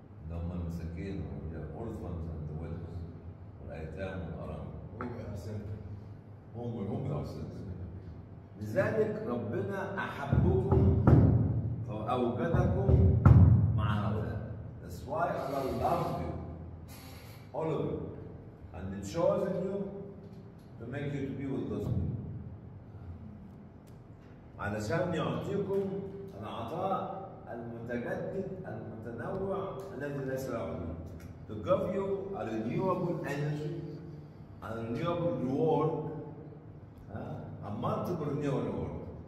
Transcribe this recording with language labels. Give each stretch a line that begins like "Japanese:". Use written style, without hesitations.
Arabic: هم المساكين هم
English: the orphans and the widows
Arabic: والأيتام والأرام. هم أحسنت. لذلك ربنا أحبكم فأوجدكم مع هؤلاء.
English: That's why Allah loved you, all of you, and He chose you to make you to be with those people.
Arabic: علشان يعطيكم العطاء المتجدد المتنوع الذي ليس له حدود.
English: To give you a renewable energy, a renewable reward, a multiple renewable reward.